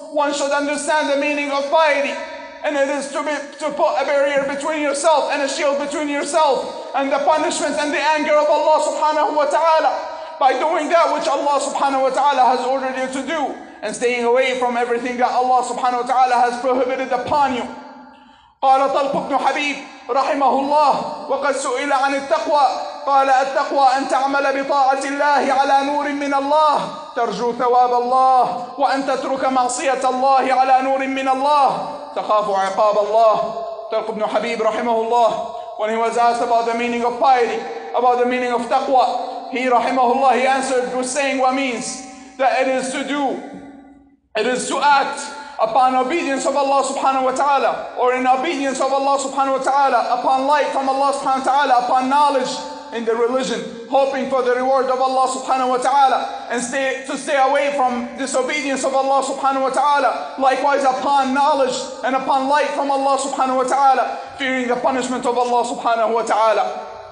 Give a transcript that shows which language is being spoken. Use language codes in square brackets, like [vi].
[en] One should understand the meaning of piety, and it is to put a barrier between yourself and a shield between yourself and the punishment and the anger of Allah subhanahu wa ta'ala by doing that which Allah subhanahu wa ta'ala has ordered you to do and staying away from everything that Allah subhanahu wa ta'ala has prohibited upon you. [ar] قال طلق بن حبيب رحمه الله وقد سئل عن التقوى قال التقوى أن تعمل بطاعة الله على نور من الله ترجو ثواب الله وأن تترك معصية الله على نور من الله تخاف عقاب الله. [en] طلق بن حبيب [ar] رحمه الله, [en] when he was asked about the meaning of piety, about the meaning of taqwa, he رحمه الله, he answered with saying what means, that it is to do, it is to act upon obedience of Allah subhanahu wa ta'ala, or in obedience of Allah subhanahu wa ta'ala, upon light from Allah subhanahu wa ta'ala, upon knowledge in the religion, hoping for the reward of Allah subhanahu wa ta'ala, and to stay away from disobedience of Allah subhanahu wa ta'ala, likewise upon knowledge and upon light from Allah subhanahu wa ta'ala, fearing the punishment of Allah subhanahu wa ta'ala.